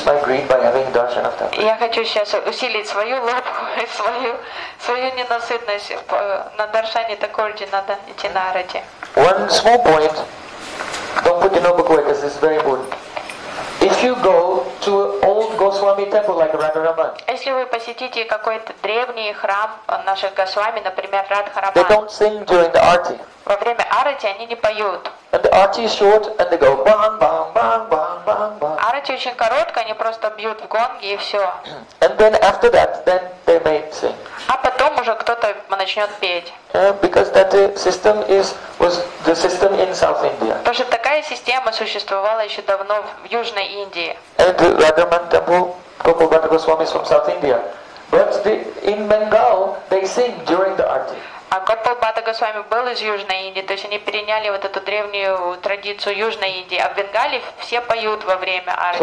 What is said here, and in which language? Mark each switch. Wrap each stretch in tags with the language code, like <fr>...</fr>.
<ru>Я хочу сейчас усилить свою лапку и свою ненасытность. На даршане такорджи надо идти на арати.</ru> <en>One small point. Don't put it over quick, because it's very good. If you go to an old Goswami temple like Radharaman,</en> <ru>если вы посетите какой-то древний храм наших Госвами, например, Радхараман,</ru> <en>they don't sing during the arati.</en> <ru>Во время арати они не поют.</ru> <en>And the arati is short, and they go bang bang bang bang bang bang.</en> <ru>Арати очень короткая, они просто бьют в гонги и все.</ru> <en>And then after that, then they may sing.</en> <ru>А потом уже кто-то начнет петь.</ru> <en>Because that system was the system in South India.</en> <ru>Потому что такая система существовала еще давно в Южной Индии.</ru> <en>And Radharaman temple, Gopalbhatta Goswami is from South India, but in Bengal they sing during the arati.</en> <ru>А Гопалбхатта Госвами был из Южной Индии, то есть они переняли вот эту древнюю традицию Южной Индии, а в Бенгале все поют во время арати.</ru>